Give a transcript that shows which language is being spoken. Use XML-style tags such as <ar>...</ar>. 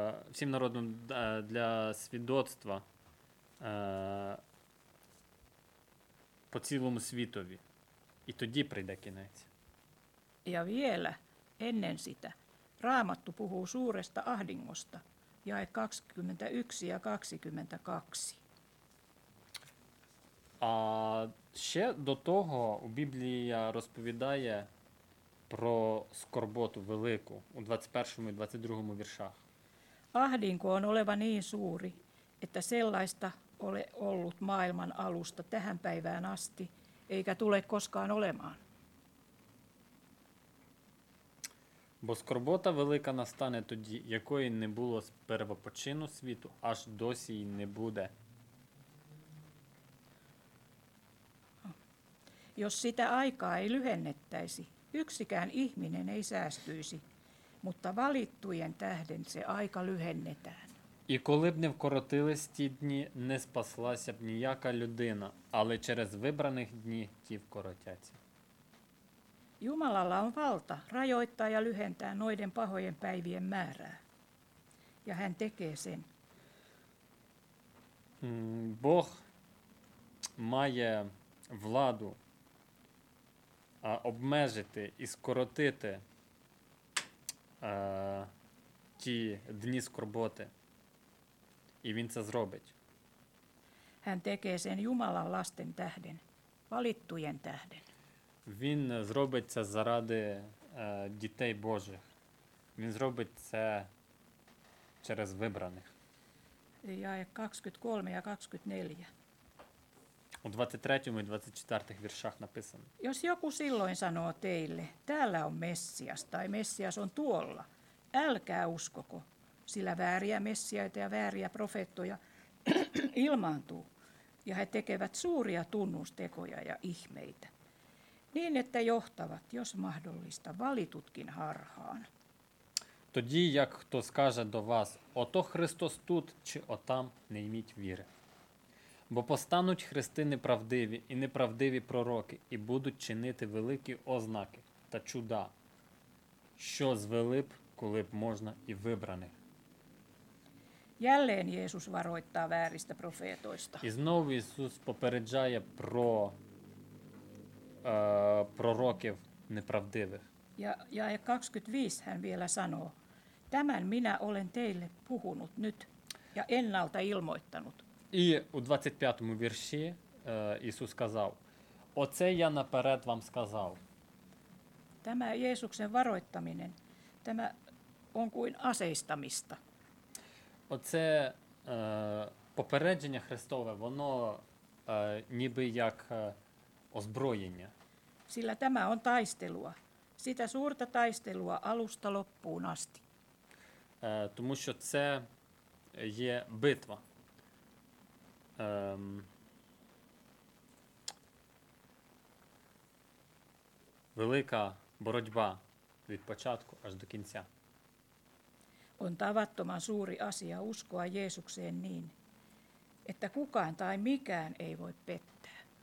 <uk>Всім народам для свідоцтва по цілому світові. І тоді прийде кінець.</uk> <fi>Ja vielä ennen sitä Raamattu puhuu suuresta ahdingosta, jae 21 ja 22.</fi> <uk>А Ще до того Біблія розповідає про скорботу велику у 21 і 22 віршах.</uk> <fi>Ahdinko on oleva niin suuri, että sellaista ole ollut maailman alusta tähän päivään asti, eikä tule koskaan olemaan.</fi> <uk>Бо скорбота велика настане тоді, якої не було з первопочину світу, аж досі й не буде.</uk> <fi>Jos sitä aikaa ei lyhennettäisi, yksikään ihminen ei säästyisi, mutta valittujen tähden se aika lyhennetään.</fi> <uk>І коли б не вкоротились ті дні, не спаслася б ніяка людина, але через вибраних дні ті вкоротяться.</uk> <fi>Jumalalla on valta rajoittaa ja lyhentää noiden pahojen päivien määrää. Ja hän tekee sen.</fi> <uk>Бог має владу обмежити і скоротити ті дні скорботи. І він це зробить.</uk> <fi>Hän tekee sen Jumalan lasten tähden, valittujen tähden.</fi> <uk>Він зробить це заради дітей Божих. Він зробить це через вибраних.</uk> <fi>Jae 23 ja 24.</fi> <uk>У 23 і 24 віршах написано.</uk> <fi>Jos joku silloin sanoo teille, täällä on Messias tai Messias on tuolla, älkää uskoko, sillä vääriä messiaita ja vääriä profeettoja ilmaantuu, ja he tekevät suuria tunnustekoja ja ihmeitä. Niin, että johtavat, jos mahdollista, valitutkin harhaan.</fi> <uk>Тоді, як хто скаже до вас, ото Христос тут чи отам, не йміть віри. Бо постануть Христи неправдиві і неправдиві пророки, і будуть чинити великі ознаки та чуда, що звели б, коли б можна, і вибрани.</uk> <fi>Jälleen Jeesus varoittaa vääristä profeetoista.</fi> <uk>І знову Ісус попереджає про пророків неправдивих.</uk> <fi>Ja 25 hän vielä sanoo, tämän minä olen teille puhunut nyt ja ennalta ilmoittanut.</fi> <uk>І у 25 вірші Ісус сказав, оце я наперед вам сказав.</uk> <fi>Tämä Jeesuksen varoittaminen, tämä on kuin aseistamista.</fi> <uk>Оце попередження Христове, воно ніби як озброєння.</uk> <fi>Sillä tämä on taistelua, sitä suurta taistelua alusta loppuun asti.</fi> <uk>Тому що це є битва. Велика боротьба від початку аж до кінця.</uk> <fi>On tavattoman suuri asia uskoa Jeesukseen niin, että kukaan tai mikään ei voi pettää.</fi>